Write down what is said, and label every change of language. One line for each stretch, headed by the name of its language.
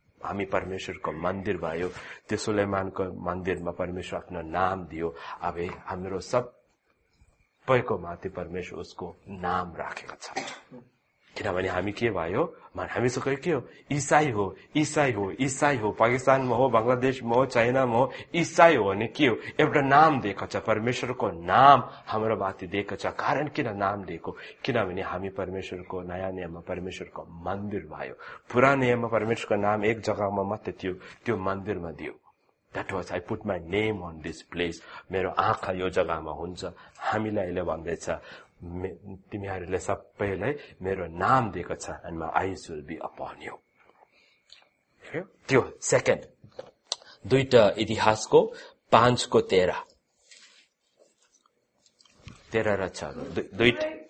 Nepali: हामी परमेश्वरको मन्दिर भयो त्यो सुलेमानको मन्दिरमा परमेश्वर आफ्नो नाम दियो अब हाम्रो सबैको माथि परमेश्वर उसको नाम राखेको छ किनभने हामी के भयो हामी सबै के हो इसाई हो इसाई हो इसाई हो पाकिस्तानमा हो बङ्गलादेशमा हो चाइनामा हो इसाई हो भने के हो एउटा नाम दिएको छ परमेश्वरको नाम हाम्रो माथि दिएको छ. कारण किन नाम दिएको किनभने हामी परमेश्वरको नयाँ नियममा परमेश्वरको मन्दिर भयो. पुरानो नियममा परमेश्वरको नाम एक जग्गामा मात्रै थियो त्यो मन्दिरमा दियो.
English: That was, I put my name on this place.
Nepali: मेरो आँखा यो जग्गामा हुन्छ. हामीलाई अहिले भन्दैछ तिमीहरूले सबैलाई मेरो नाम दिएको छ
English: And my eyes will be upon you.
Nepali: त्यो सेकेन्ड दुईटा इतिहासको 5:13 र 6 दुईटा